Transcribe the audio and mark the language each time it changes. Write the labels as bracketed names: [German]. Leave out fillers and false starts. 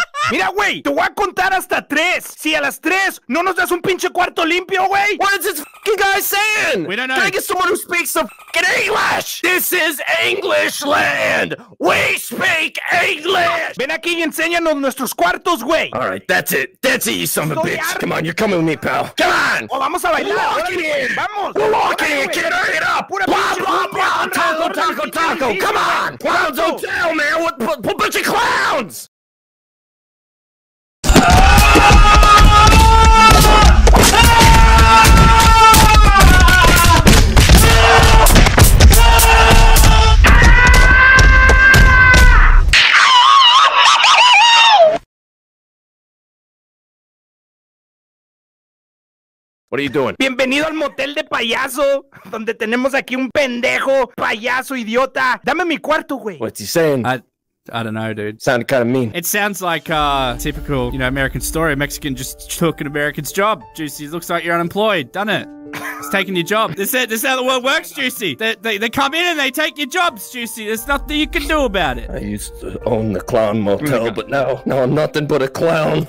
[Spanish] Mira, güey, te voy a contar hasta tres. Si a las tres no nos das un pinche cuarto limpio, güey. [English] What is this fucking guy saying? We don't know. Can I get someone who speaks some fucking English? This is English land. We speak English. [Spanish] Ven aquí y enséñanos nuestros cuartos, güey. [English] All right, that's it. That's it, you son of a bitch. Come on, you're coming with me, pal. Come on. [Spanish] Oh, vamos a bailar. [English] We're walking here. [Spanish] Vamos. [English] We're walking here, kid. Hurry it up. Blah, blah, blah. Taco. Come on. Clowns Hotel, man. What a bunch of clowns. What are you doing? [Spanish] Bienvenido al motel de payaso, donde tenemos aquí un pendejo, payaso, idiota. Dame mi cuarto, güey. [English] What's he saying? I don't know, dude. Sounded kind of mean. It sounds like a typical, you know, American story. A Mexican just took an American's job. Juicy, looks like you're unemployed, doesn't it? He's taking your job. This is how the world works, Juicy. They come in and they take your jobs, Juicy. There's nothing you can do about it. I used to own the Clown Motel, but now I'm nothing but a clown.